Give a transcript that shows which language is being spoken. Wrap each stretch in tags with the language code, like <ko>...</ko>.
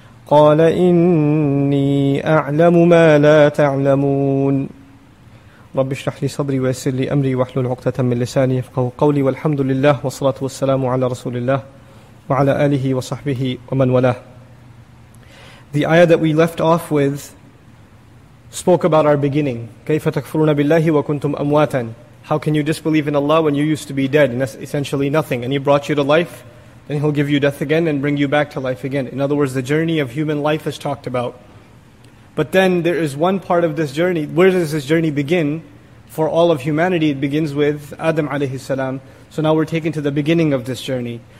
<ar>قال إني أعلم ما لا تعلمون. رب اشرح لي صدري ويسر لي أمري واحلل عقدة من لساني يفقهوا قولي. والحمد لله والصلاة والسلام على رسول الله وعلى آله وصحبه ومن والاه.</ar> <en>The ayah that we left off with spoke about our beginning.</en> <ar>كيف تكفرون بالله وكنتم أمواتا.</ar> <en>How can you disbelieve in Allah when you used to be dead and essentially nothing, and He brought you to life? Then He'll give you death again and bring you back to life again. In other words, the journey of human life is talked about. But then there is one part of this journey. Where does this journey begin? For all of humanity, it begins with Adam alayhi salam. So now we're taken to the beginning of this journey.</en>